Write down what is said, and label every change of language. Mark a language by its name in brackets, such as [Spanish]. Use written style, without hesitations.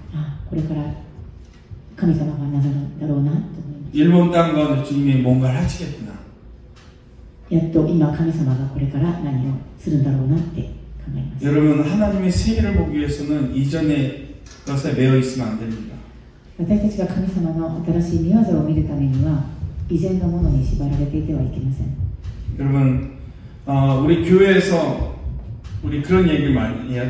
[Japanese] 아, これから神様がなさるだろうなと思います。 [Korean] 일본 땅 가운데 주님이 뭔가를 하시겠구나. [Japanese] やっと今神様がこれから何をするんだろうなって考えます。 [Korean] 여러분 하나님의 승리를 보기 위해서는 이전에 그것에 매여 있으면 안 됩니다. [Japanese] 私たちが神様の新しい御業を見るためには以前のものに縛られていてはいけません。 [Korean] 여러분 우리 교회에서 우리 그런 얘기를 많이 해요.